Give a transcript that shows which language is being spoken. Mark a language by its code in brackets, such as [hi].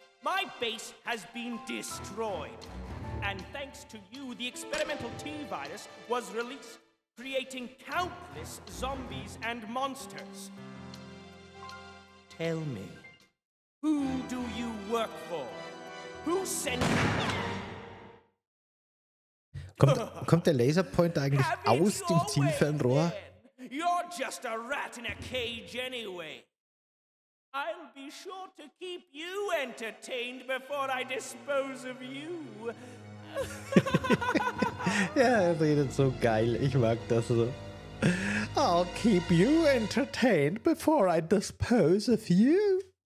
[en] My base has been destroyed. And thanks to you, the experimental T-virus was released, creating countless zombies and monsters. Tell me, who do you work for? Who sent you? [de] Kommt der Laserpointer eigentlich aus dem Zielfernrohr? [en] You're just a rat in a cage anyway. I'll be sure to keep you entertained before I dispose of you. [de] Ja, er redet so geil. Ich mag das so. [en] I'll keep you entertained before I dispose of you.